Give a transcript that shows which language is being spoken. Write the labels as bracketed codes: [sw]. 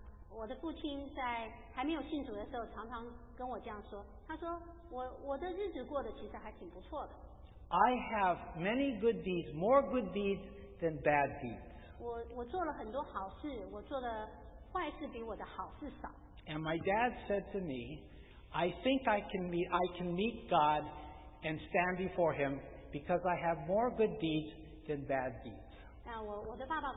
[zh] 我的父亲在还没有信主的时候，常常跟我这样说，他说。 [en] I have many good deeds, more good deeds than bad deeds. [zh] 我做了很多好事，我做的坏事比我的好事少。 [en] And my dad said to me, "I think I can meet God and stand before Him because I have more good deeds than bad deeds."